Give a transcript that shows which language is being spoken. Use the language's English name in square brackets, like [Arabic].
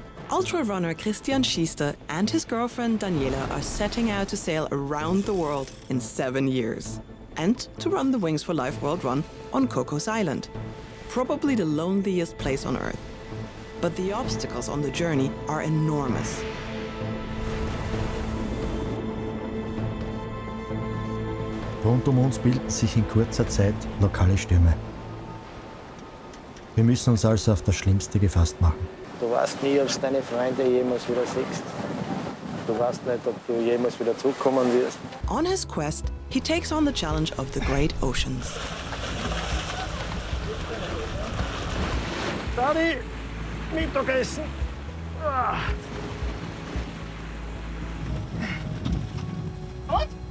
[English] Ultra runner Christian Schiester and his girlfriend Daniela are setting out to sail around the world in 7 years and to run the Wings for Life World Run on Cocos Island, probably the loneliest place on Earth. But the obstacles on the journey are enormous. [German] Rund um uns bilden sich in kurzer Zeit lokale Stürme. Wir müssen uns also auf das Schlimmste gefasst machen. Du weißt nie, ob du deine Freunde jemals wieder siehst. Du weißt nicht, ob du jemals wieder zurückkommen wirst. [English] On his quest, he takes on the challenge of the great oceans. [German] Daddy, Mittagessen. Und?